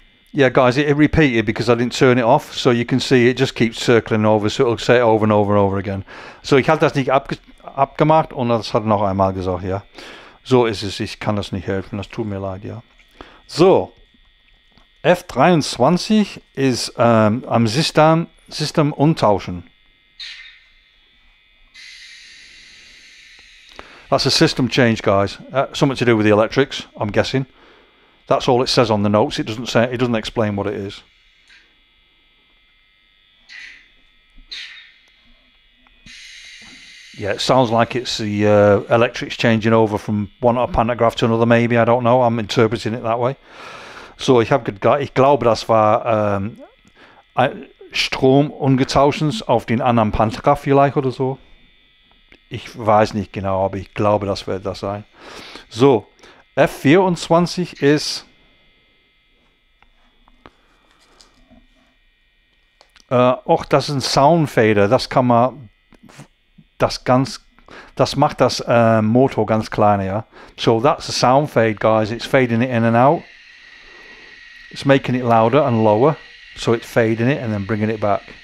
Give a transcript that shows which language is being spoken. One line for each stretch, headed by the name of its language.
English: Yeah, guys, it repeated because I didn't turn it off. So you can see it just keeps circling over. So it'll say it over and over and over again.
German: So ich habe das nicht abgemacht und das hat noch einmal gesagt, ja. So ist es. Ich kann das nicht helfen. Das tut mir leid, ja. So. F23 ist am System umtauschen.
English: That's a system change, guys. Something to do with the electrics, I'm guessing. That's all it says on the notes. It doesn't explain what it is. Yeah, it sounds like it's the electrics changing over from one pantograph to another, maybe. I don't know. I'm interpreting it that way.
German: So, ich glaube, das war Strom umgetauschens auf den anderen Pantograph vielleicht oder so. Ich weiß nicht genau, aber ich glaube, das wird das sein. So, F24 ist auch das ist ein Soundfader. Das kann man das macht das Motor ganz klein, ja.
English: So, that's a sound fade, guys. It's fading it in and out. It's making it louder and lower, so it's fading it and then bringing it back.